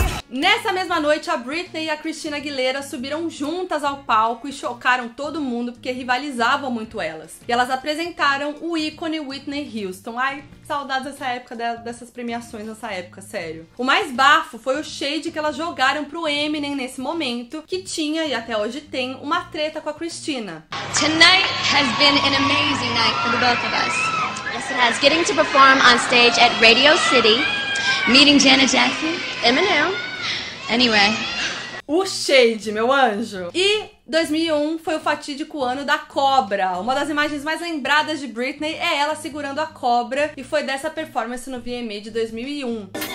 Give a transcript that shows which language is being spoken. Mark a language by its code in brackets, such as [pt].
[pt] Nessa mesma noite, a Britney e a Christina Aguilera subiram juntas ao palco e chocaram todo mundo, porque rivalizavam muito elas. E elas apresentaram o ícone Whitney Houston. Ai, saudades dessa época, dessas premiações nessa época, sério. O mais bafo foi o shade que elas jogaram pro Eminem nesse momento, que tinha, e até hoje tem, uma treta com a Christina. [en] Tonight has been an amazing night for the both of us. Yes, it has. Getting to perform on stage at Radio City, meeting Janet Jackson, Eminem. Anyway. [pt] O shade, meu anjo. E 2001 foi o fatídico ano da cobra. Uma das imagens mais lembradas de Britney é ela segurando a cobra, e foi dessa performance no VMA de 2001.